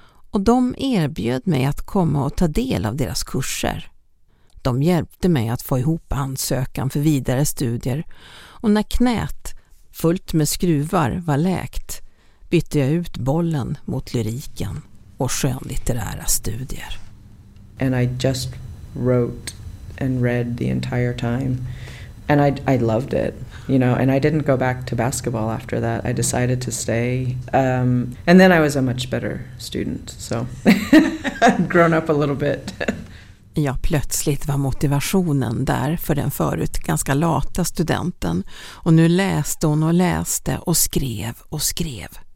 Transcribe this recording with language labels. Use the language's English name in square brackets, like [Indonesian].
[Swedish] Och de erbjöd mig att komma och ta del av deras kurser. De hjälpte mig att få ihop ansökan för vidare studier. Och när knät, fullt med skruvar, var läkt, bytte jag ut bollen mot lyriken och skönlitterära studier. [English] And I just wrote and read the entire time. And I loved it, you know, and I didn't go back to basketball after that. I decided to stay. And then I was a much better student, so grown up a little bit. [Swedish] Ja, plötsligt var motivationen där för den förut ganska lata studenten. Och nu läste hon och läste och skrev och skrev.